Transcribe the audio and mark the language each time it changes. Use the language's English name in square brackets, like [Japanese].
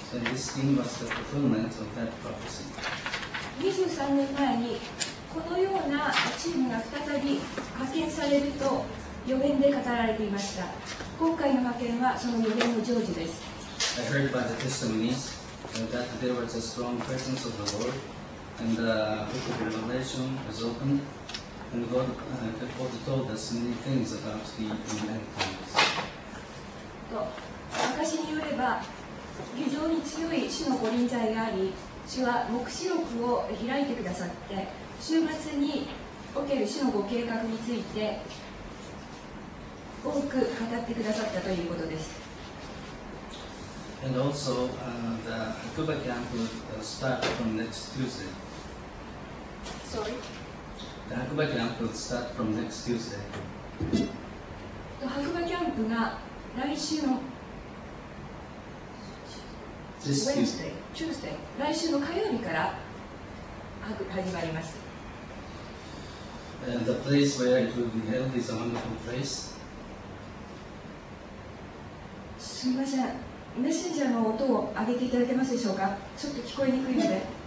[English] And this team was the fulfillment of that prophecy. [Japanese] 23年前にこのようなチームが再び派遣されると予言で語られていました。今回の派遣はその予言の成就です。 [English] I heard by the testimonies that there was a strong presence of the Lord, and the book of Revelation was opened, and God therefore told us many things about the end times. [Japanese] と、証によれば、非常に強い主の御臨在があり、主は黙示録を開いてくださって、週末における主のご計画について、多く語ってくださったということです。 [English] And also, the Akuba camp will start from next Tuesday. Sorry? The Akuba camp will start from next Tuesday. [Japanese] と、Akuba camp が来週の [English] This Wednesday, Tuesday, [Japanese] 来週の火曜日から始まります。 [English] And the place where it will be held is a wonderful place. [Japanese] すみません、メッセンジャーの音を上げていただけますでしょうか。ちょっと聞こえにくいので。